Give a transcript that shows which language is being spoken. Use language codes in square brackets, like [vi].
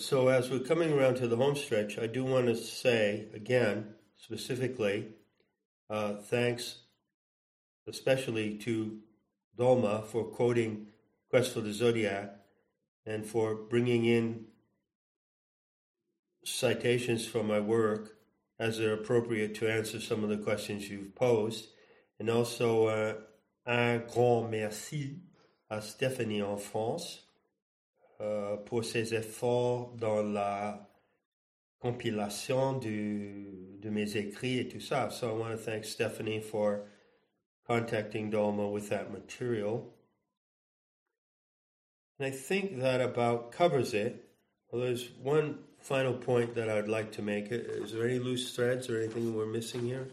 [en] So as we're coming around to the home stretch, I do want to say again, specifically, thanks especially to Dolma for quoting Quest for the Zodiac and for bringing in citations from my work as they're appropriate to answer some of the questions you've posed. And also, [fr] un grand merci à Stéphanie en France pour ses efforts dans la compilation de mes écrits et tout ça. [en] So I want to thank Stéphanie for contacting Dolma with that material. And I think that about covers it. Well, there's one final point that I'd like to make. Is there any loose threads or anything we're missing here?